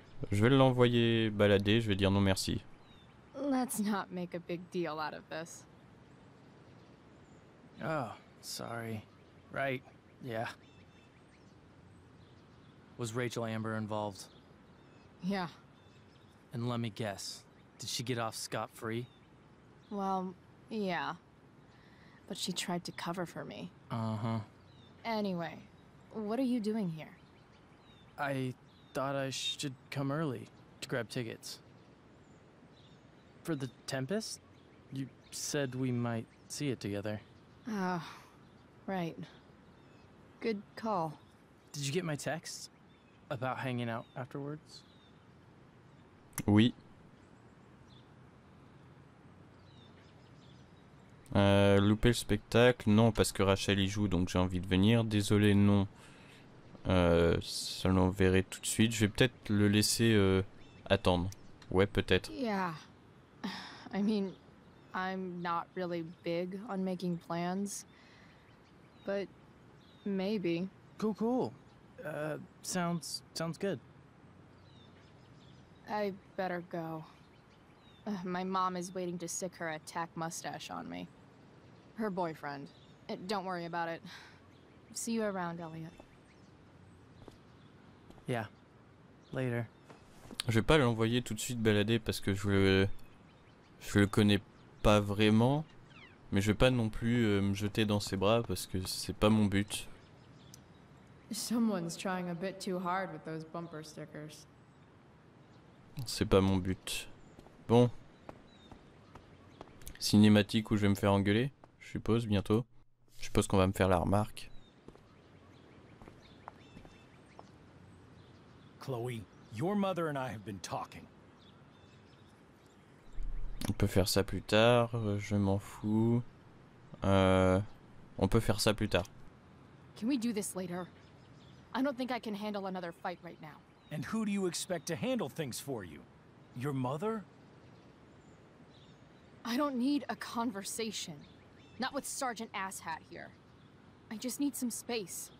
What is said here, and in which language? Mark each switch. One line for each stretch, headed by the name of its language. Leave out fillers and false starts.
French: Je vais l'envoyer balader, je vais dire non merci.
English: Let's not make a big deal out of this. Oh, sorry. Right, yeah. Was Rachel Amber involved? Yeah. And let me guess, did she get off scot-free? Well, yeah. But she tried to cover for me. Uh-huh. Anyway, What are you doing here? I thought I should come early to grab tickets. For the Tempest? You said we might see it together. Oh, right. Good call. Did you get my text about hanging out afterwards?
French: Oui. Louper le spectacle, non, parce que Rachel y joue, donc j'ai envie de venir. Désolé, non. Ça l'enverrai tout de suite. Je vais peut-être le laisser attendre. Ouais, peut-être.
English: Yeah. I mean, I'm not really big on making plans, but maybe. Cool, cool. Sounds good. I better go. My mom is waiting to stick her attack mustache on me. Her boyfriend. Don't worry about it. See you around, Elliot. Yeah. Later.
French: Je vais pas l'envoyer tout de suite balader parce que je le connais pas vraiment, mais je vais pas non plus me jeter dans ses bras parce que c'est pas mon but.
English: Someone's trying a bit too hard with those bumper stickers.
French: C'est pas mon but. Bon. Cinématique où je vais me faire engueuler, je suppose, bientôt. Je suppose qu'on va me faire la remarque.
English: Chloé, your mother and I have been talking.
French: On peut faire ça plus tard, je m'en fous. On peut faire ça plus tard.
English: Can we do this later? I don't think I can handle another fight right now. And who do you expect to handle things for you? Your mother? I don't need a conversation. Not with Sergeant Asshat here. I just need some space.